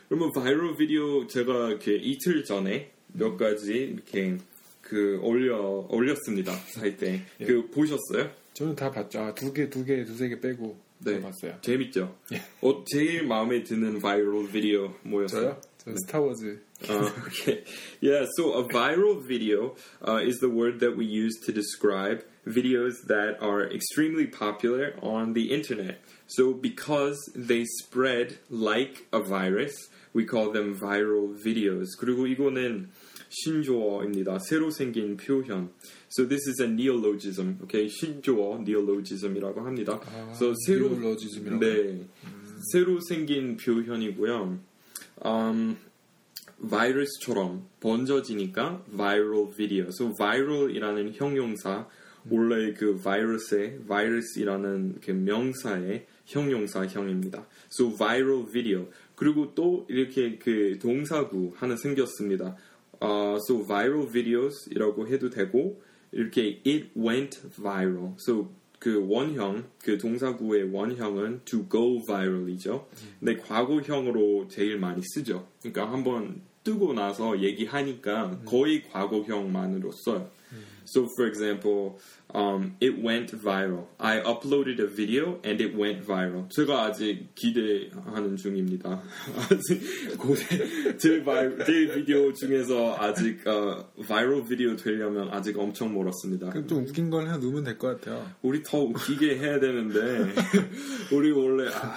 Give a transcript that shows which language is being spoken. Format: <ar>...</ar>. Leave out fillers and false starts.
<ko>그러면 바이럴 비디오 제가 이렇게 이틀 전에 몇 가지 이렇게 그 올렸습니다. 사이트에. 네. 그 보셨어요? 저는 다 봤죠. 아, 두세 개 빼고 네. 다 봤어요. 재밌죠? 제일 마음에 드는 바이럴 비디오 뭐였어요? 저요? 스타워즈.</ko> <en>Okay. Yeah, so a viral video is the word that we use to describe videos that are extremely popular on the internet. So because they spread like a virus, we call them viral videos.</en> <ko>그리고 이거는 신조어입니다. 새로 생긴 표현.</ko> <en>So this is a neologism.</en> <ko>Okay, 신조어 neologism이라고 합니다. 아, so neologism이라고. 네. 새로 생긴 표현이고요. Virus처럼 번져지니까 viral video. So viral이라는 형용사 원래 그 virus의 virus이라는 그 명사의 형용사형입니다.</ko> <en>So viral video.</en> <ko>그리고 또 이렇게 그 동사구 하나 생겼습니다.</ko> <en>So viral videos</en> <ko>이라고 해도 되고 이렇게</ko> <en>it went viral.</en> <ko>So 그 원형 그 동사구의 원형은 to go viral이죠. 근데 과거형으로 제일 많이 쓰죠. 그러니까 한번 뜨고 나서 얘기하니까 거의 과거형만으로 써요.</ko> <en>So for example, it went viral. I uploaded a video and it went viral.</en> <ko>제가 아직 기대하는 중입니다. 아직 고대 제 비디오 중에서 아직 viral 비디오 되려면 아직 엄청 멀었습니다. 그럼 좀 웃긴 걸 해놓으면 될 것 같아요. 우리 더 웃기게 해야 되는데 우리 원래</ko>